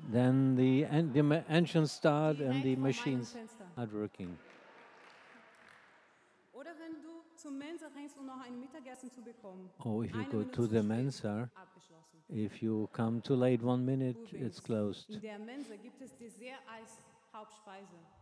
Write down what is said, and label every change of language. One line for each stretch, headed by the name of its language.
English: Then the engine started and the machines are working.
German: Oder wenn du zum Mensa rennst, um noch ein Mittagessen zu bekommen.
English: Oh, if you go to the Mensa, if you come too late 1 minute, it's closed.
German: In der Mensa gibt es Dessert als Hauptspeise.